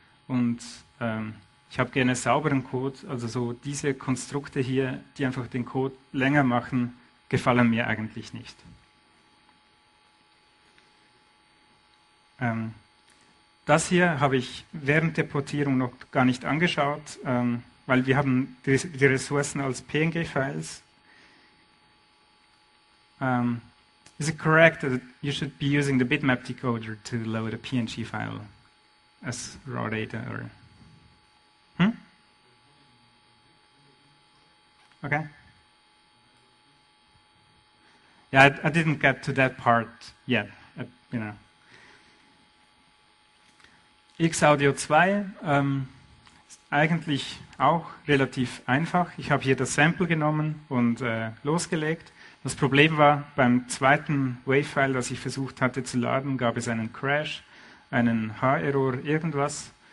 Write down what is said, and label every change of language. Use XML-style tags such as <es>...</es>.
<de>Und ich habe gerne sauberen Code, also so diese Konstrukte hier, die einfach den Code länger machen, gefallen mir eigentlich nicht. Das hier habe ich während der Portierung noch gar nicht angeschaut, weil wir haben die Ressourcen als PNG-Files.</de> <en>Is it correct that you should be using the bitmap decoder to load a PNG file as raw data? Or Okay. Yeah, I didn't get to that part yet.</en> <de>XAudio 2 ist eigentlich auch relativ einfach. Ich habe hier das Sample genommen und losgelegt. Das Problem war, beim zweiten WAV-File, das ich versucht hatte zu laden, gab es einen Crash, einen H-Error, irgendwas.</de>